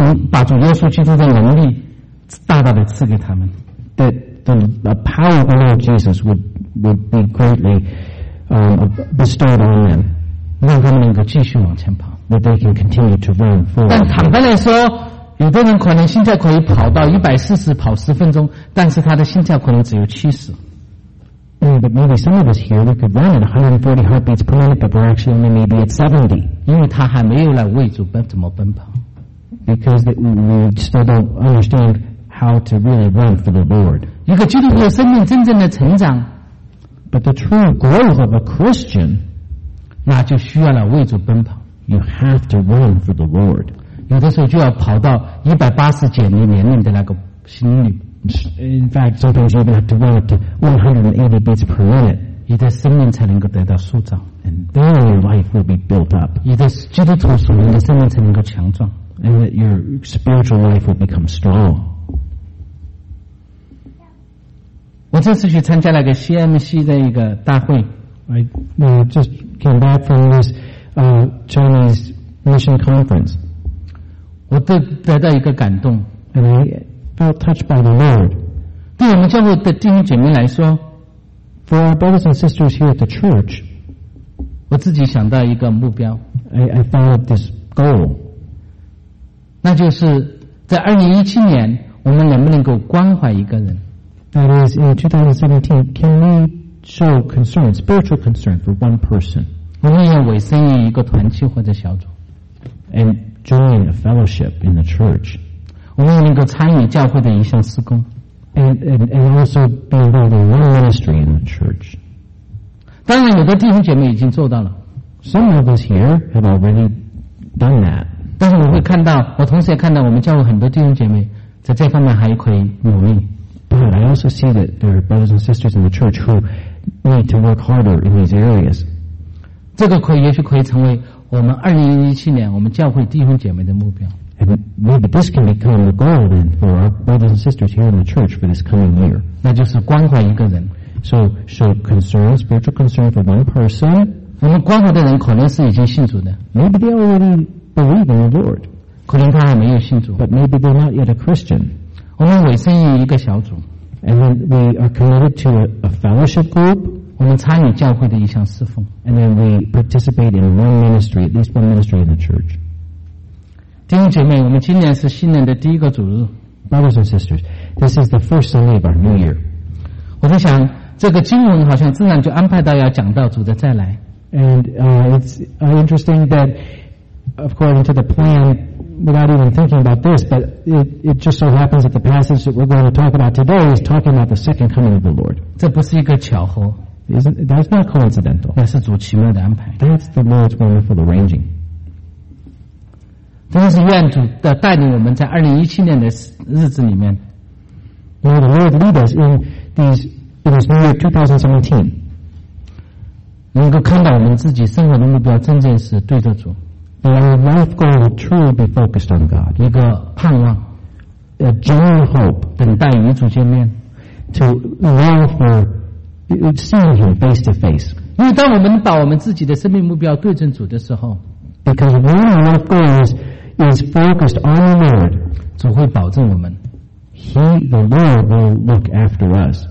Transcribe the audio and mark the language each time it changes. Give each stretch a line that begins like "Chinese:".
Chinese: 把主耶稣基督的能力大大的赐给他们。
English: That the power of the Lord Jesus would be greatly bestowed on them.
Chinese: 让他们能够继续往前跑。
English: That they can continue to run forward.
Chinese: 但坦白来说，有的人可能心跳可以跑到140跑10分钟，但是他的心跳可能只有70。
English: But maybe some of us here we could run at 140 heartbeats per minute, but we're actually only maybe at 70.
Chinese: 因为他还没有来为主奔怎么奔跑。
English: Because we still don't understand how to really run for the Lord.
Chinese: 一个基督徒的生命真正的成长。
English: But the true growth of a Christian,
Chinese: 那就需要来为主奔跑。
English: You have to run for the Lord.
Chinese: 有的时候就要跑到180减你年龄的那个心率。
English: In fact, sometimes you even have to run up to 180 beats per minute.
Chinese: 你的生命才能够得到塑造。
English: And then your life will be built up.
Chinese: 你的基督徒属灵的生命才能够强壮。
English: And that your spiritual life will become strong.
Chinese: 我这次去参加了个 CMC 的一个大会。
English: I just came back from this Chinese mission conference.
Chinese: 我得到一个感动
English: and I felt touched by the Lord.
Chinese: 对我们教会的弟兄姐妹来说
English: For our brothers and sisters here at the church,
Chinese: 我自己想到一个目标
English: I found out this goal.
Chinese: 那就是在2017年我们能不能够关怀一个人
English: That is, in 2017, can we show concern, spiritual concern for one person?
Chinese: 我们要委身于一个团契或者小组
English: AndJoin a fellowship in the church.
Chinese: 我们能够参与教会的一项事工
English: and also be involved in one ministry in the church.
Chinese: 当然，有的弟兄姐妹已经做到了。
English: Some of us here have already done that.
Chinese: 但是我会看到，我同时也看到我们教会很多弟兄姐妹在这方面还可以努力。
English: But I also see that there are brothers and sisters in the church who need to work harder in these areas.
Chinese: 这个可以，也许可以成为。我们2017年我们教会弟兄姐妹的目标
English: and maybe this can become the goal then for our brothers and sisters here in the church for this coming year
Chinese: 那就是关怀一个人
English: so concern, spiritual concern for one person
Chinese: 我们关怀的人可能是已经信主的
English: maybe they already believe in the Lord
Chinese: 可能他还没有信主
English: but maybe they're not yet a Christian
Chinese: 我们委身于一个小组
English: and then we are committed to a fellowship group
Chinese: 我们参与教会的一项侍奉
English: and then we participate in one ministry at least one ministry in the church
Chinese: 弟兄姐妹我们今年是新年的第一个主日
English: brothers and sisters this is the first Sunday of our new year
Chinese: 我在想这个经文好像自然就安排到要讲到主的再来
English: and it's interesting that according to the plan without even thinking about this but it just so happens that the passage that we're going to talk about today is talking about the second coming of the Lord
Chinese: 这不是一个巧合
English: That's not coincidental.
Chinese: 那是主奇妙的安排。
English: That's the Lord's wonderful arranging.
Chinese: 真是愿主的带领我们在2017年的日子里面。
English: May the Lord lead us in this new year 2017.
Chinese: 能够看到我们自己生活的目标真正是对着主。
English: May our life goal will truly be focused on God.
Chinese: 一个盼望。
English: A genuine hope.
Chinese: 等待与主见面。
English: To long for seeing him face to face.
Chinese: 因为当我们把我们自己的生命目标对准主的时候
English: Because when our goal is focused on the Lord,
Chinese: 主会保证我们
English: He, the Lord, will look after us.